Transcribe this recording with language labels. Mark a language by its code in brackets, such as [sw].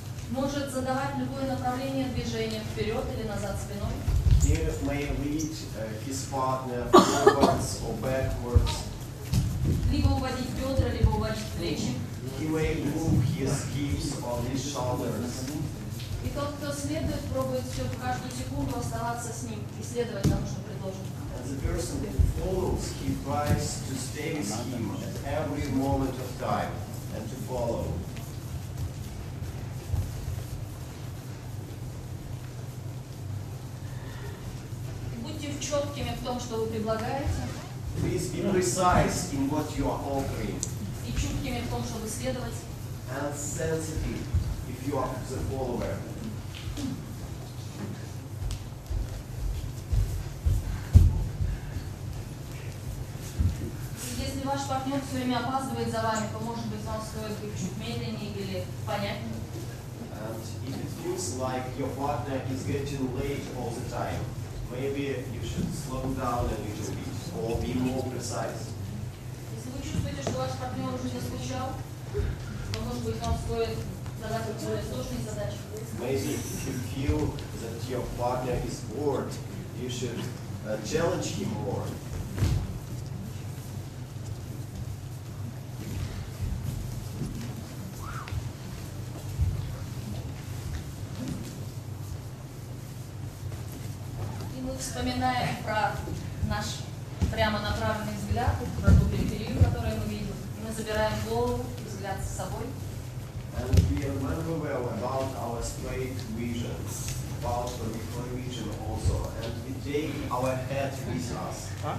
[ru] Может задавать любое направление движения вперед или назад спиной. [en] He may lead his partner forwards or backwards. [ru] Либо уводить бедра, либо уводить плечи. [en] He may move his hips or his shoulders. [ru] И тот, кто следует, пробует все в каждую секунду оставаться с ним и следовать тому, что предложено. [en] And the person who follows, he tries to stay with him at every moment of time and to follow. [ru] Четкими в том, что вы предлагаете. [en] Please be precise in what you are offering. [ru] И чуткими в том, чтобы следовать. [en] And sensitive if you are the follower. [ru] Если ваш партнер все время опаздывает за вами, то может быть вам стоит быть чуть медленнее или понятнее. [en] And if it feels like your partner is getting late all the time. Maybe you should slow down a little bit or be more precise. [ru] Если вы чувствуете, что ваш партнер уже не скучал, то может быть вам стоит задать более сложные задачи. [en] Maybe if you feel that your partner is bored, you should challenge him more. [ru] Вспоминаем про наш прямо направленный взгляд, про ту периферию, которую мы видим. И мы забираем голову и взгляд с собой. [en] And we remember well about our straight vision, about the peripheral vision also. And we take our head with us.